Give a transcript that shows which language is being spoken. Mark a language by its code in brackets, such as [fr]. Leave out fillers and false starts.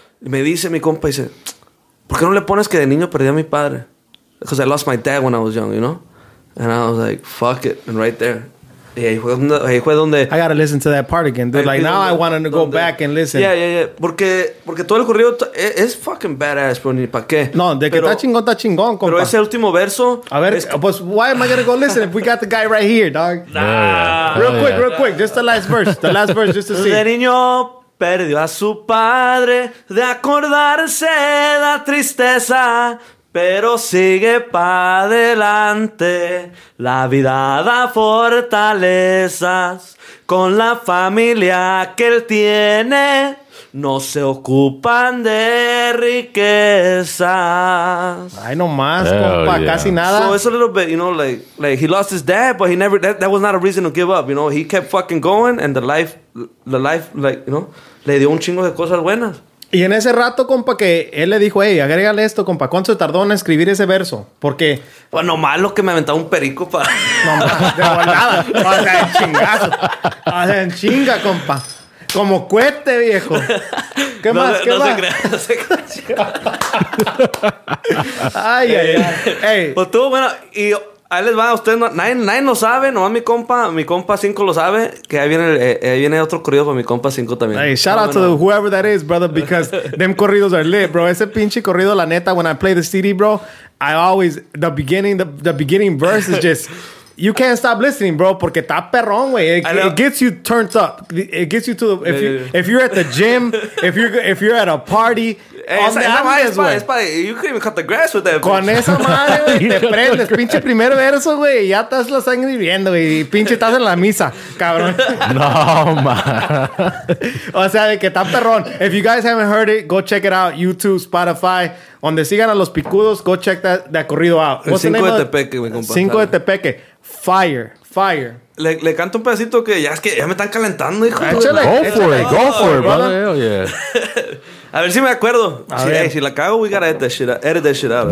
[es] Y me dice mi compa, dice, ¿por qué no le pones que de niño perdí a mi padre? [en] Because I lost my dad when I was young, you know? And I was like, fuck it. And right there. [es] Y ahí fue donde... [en] I gotta listen to that part again. Dude, like, now I wanted to go back and listen. [es] Yeah. Porque todo el corrido es [en] fucking badass, bro. [es] Ni pa' qué. No, de que está chingón, compa. Pero ese último verso... A ver, pues, [en] why am I gonna go listen if we got the guy right here, dog? Nah. Real quick. Just the last verse, just to see. [es] De niño perdió a su padre, de acordarse da tristeza. Pero sigue pa' adelante, la vida da fortalezas, con la familia que él tiene, no se ocupan de riquezas. Ay, nomás, compa, yeah. Casi nada. [en] So it's a little bit, you know, like he lost his dad, but he never, that was not a reason to give up, you know, he kept fucking going, and the life, like, you know, [es] le dio un chingo de cosas buenas. Y en ese rato, compa, que él le dijo, hey, agrégale esto, compa, ¿cuánto se tardó en escribir ese verso? Porque... Pues nomás lo que me aventaba un perico para... No, nada. O sea, en chingazo. O sea, en chinga, compa. Como cuete, viejo. ¿Qué no, más? No, ¿qué no más? No se crea. Ay. Hey. Pues tú, bueno, y ahí les va, ustedes no, nadie lo sabe, nomás mi compa 5 lo sabe, que ahí viene otro corrido para mi compa 5 también. [en] Hey, shout out to whoever that is, brother, because them corridos are lit, bro. [es] Ese pinche corrido, la neta, [en] when I play the CD, bro, I always, the beginning verse is just, you can't stop listening, bro, [es] porque está perrón, güey. [en] It gets you turned up. It gets you to the, if you're at the gym, if you're at a party. [es] Esa madre es para... [en] You couldn't even cut the grass with that. [es] Con esa madre, güey, te prendes. Pinche primer verso, güey. Ya estás la sangre hirviendo, güey. Pinche estás en la misa, cabrón. [en] No, man. [es] O sea, de que está perrón. [en] If you guys haven't heard it, go check it out. YouTube, Spotify. [es] Donde sigan a los picudos, [en] go check that de corrido out. [es] El 5 de Tepeque, güey, compadre. 5 de Tepeque. Fire. Le canto un pedacito que ya es que ya me están calentando, hijo. [en] Go for it, brother. [es] A ver si me acuerdo. Si la cago, [en] we gotta edit that shit out.